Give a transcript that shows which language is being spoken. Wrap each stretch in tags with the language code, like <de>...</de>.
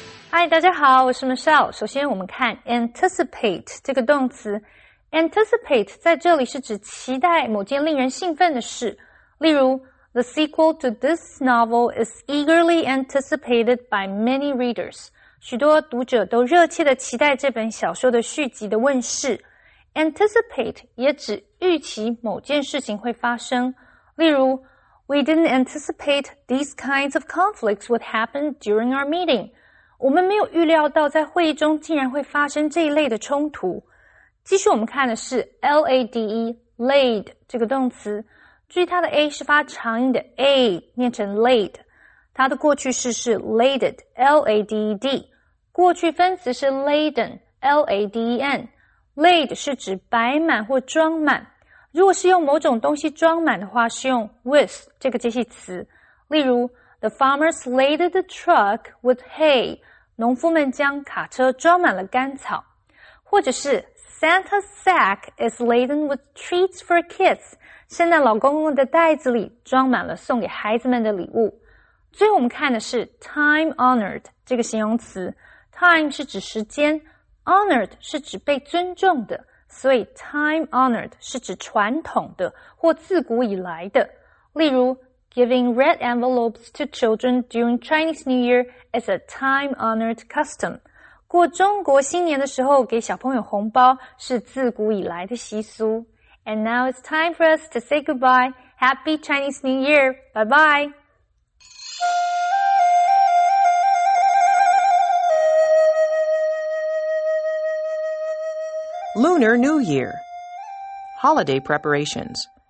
<zh>嗨，大家好，我是 Michelle。首先我们看 anticipate 这个动词。 Anticipate 在这里是指期待某件令人兴奋的事。例如</zh> <en>,the sequel to this novel is eagerly anticipated by many readers.</en> <zh>许多读者都热切地期待这本小说的续集的问世。 Anticipate 也指预期某件事情会发生。例如</zh> <en>,we didn't anticipate these kinds of conflicts would happen during our meeting.</en> <zh>我们没有预料到在会议中竟然会发生这一类的冲突。继续我们看的是 LADE, laid 这个动词。注意它的 A 是发长音的 A, 念成 laid。它的过去式是 laded, L-A-D-E-D。过去分词是 laden, L-A-D-E-N。 laid 是指摆满或装满。如果是用某种东西装满的话是用 with 这个介系词。例如</zh> <en>The farmers laded the truck with hay.</en> <zh>农夫们将卡车装满了干草。或者是</zh> <en>Santa's sack is laden with treats for kids.</en> <zh>圣诞老公公的袋子里装满了送给孩子们的礼物。最后我们看的是 time-honored 这个形容词。 Time 是指时间 ,honored 是指被尊重的。所以 time-honored 是指传统的或自古以来的。例如</zh> <en>Giving red envelopes to children during Chinese New Year is a time-honored custom.</en> <zh>过中国新年的时候给小朋友红包是自古以来的习俗。</zh> <en>And now it's time for us to say goodbye. Happy Chinese New Year! Bye-bye! Lunar New Year. Holiday preparations.</en>